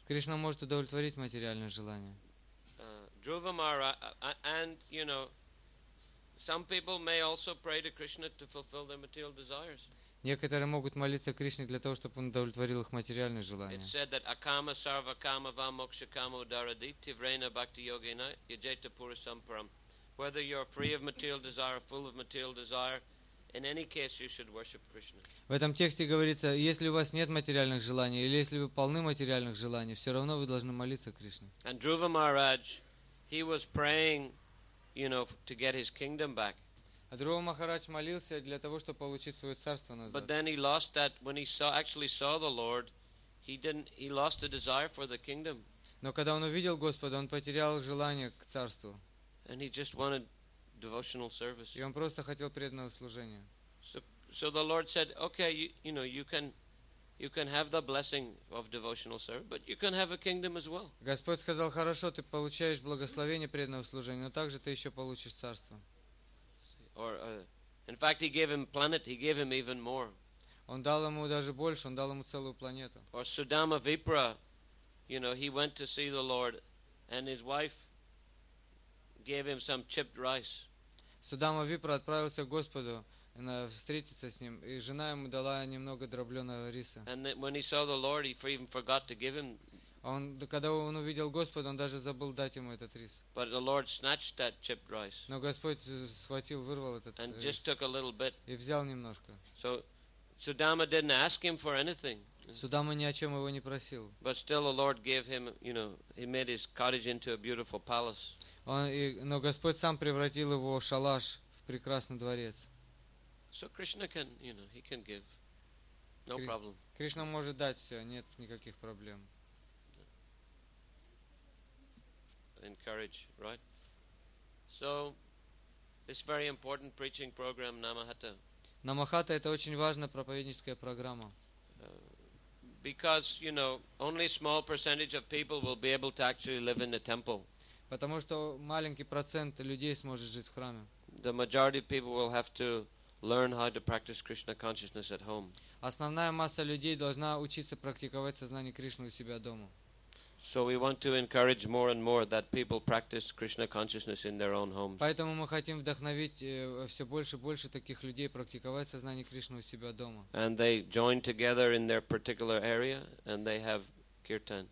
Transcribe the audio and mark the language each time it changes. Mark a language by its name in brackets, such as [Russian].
[Russian] Кришна может удовлетворить материальные желания. [English] Dhruva Maharaj, and you know, some people may also pray to Krishna to fulfill their material desires. [Russian] Некоторые могут молиться Кришне для того, чтобы он удовлетворил их материальные желания. [English] It said that [Sanskrit] akama sarva kama va moksha kama udaradi tivrena bhakti yogena yajeta purusam param. [English] Whether you're free of material desire or full of material desire, in any case you should worship Krishna. [Russian] В этом тексте говорится, если у вас нет материальных желаний или если вы полны материальных желаний, все равно вы должны молиться Кришне. [English] And Dhruva Maharaj, he was praying, you know, to get his kingdom back. [Russian] А Друва Махарадж молился для того, чтобы получить свое царство назад. [English] But then he lost that when he saw actually saw the Lord, he lost the desire for the kingdom. [Russian] Но когда он увидел Господа, он потерял желание к царству. [English] And he just wanted devotional service. [Russian] И он просто хотел преданного служения. [English] So the Lord said, okay, you know, you can have the blessing of devotional service, but you can have a kingdom as well. [Russian] Господь сказал, хорошо, ты получаешь благословение преданного служения, но также ты еще получишь царство. [English] Or, in fact, he gave him planet. He gave him even more. [Russian] Он дал ему даже больше. Он дал ему целую планету. [English] Or Sudama Vipra, you know, he went to see the Lord, and his wife gave him some chipped rice. [Russian] Судама Випра отправился к Господу встретиться с ним, и жена ему дала немного дробленого риса. [English] And when he saw the Lord, he even forgot to give him. [Russian] Он, когда он увидел Господа, он даже забыл дать ему этот рис. [English] But the Lord snatched that chipped rice. [Russian] Но Господь схватил, вырвал этот [English] and [Russian] рис. [English] And just took a little bit. [Russian] И взял немножко. [English] So Sudama didn't ask him for anything. [Russian] Судама ни о чем его не просил. [English] But still, the Lord gave him, you know, he made his cottage into a beautiful palace. [Russian] Но Господь сам превратил его шалаш в прекрасный дворец. [English] So Krishna can, you know, he can give. No problem. [Russian] Кришна может дать все, нет никаких проблем. [English] Encourage, right? So it's very important preaching program Namahata. [Russian] Намахата — это очень важная проповедническая программа. [English] Because, you know, only a small percentage of people will be able to actually live in the temple. [Russian] Потому что маленький процент людей сможет жить в храме. [English] The majority of people will have to learn how to practice Krishna consciousness at home. [Russian] Основная масса людей должна учиться практиковать сознание Кришны у себя дома. [English] So we want to encourage more and more that people practice Krishna consciousness in their own homes. [Russian] Поэтому мы хотим вдохновить все больше и больше таких людей практиковать сознание Кришны у себя дома. [English] And they join together in their particular area and they have kirtan.